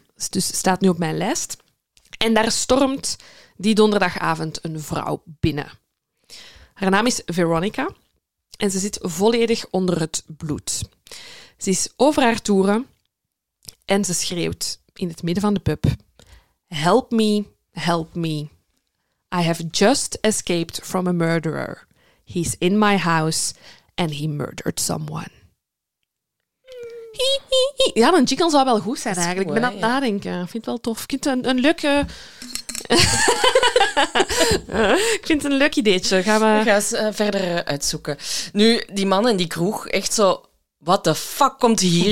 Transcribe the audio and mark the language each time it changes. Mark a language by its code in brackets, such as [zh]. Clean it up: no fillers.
[nl] Dus staat nu op mijn lijst. En daar stormt die donderdagavond een vrouw binnen. Haar naam is Veronica en ze zit volledig onder het bloed. Ze is over haar toeren en ze schreeuwt in het midden van de pub: [en] "Help me, help me. I have just escaped from a murderer. He's in my house and he murdered someone." [nl] Ja, een jingle zou wel goed zijn eigenlijk. Mooi, ik ben aan het nadenken. Ik vind het wel tof. Ik vind het een leuke... Ik vind het een leuk ideetje. Gaan we... Ga eens verder uitzoeken. Nu, die man in die kroeg, echt zo... [en] What the fuck [nl] komt hier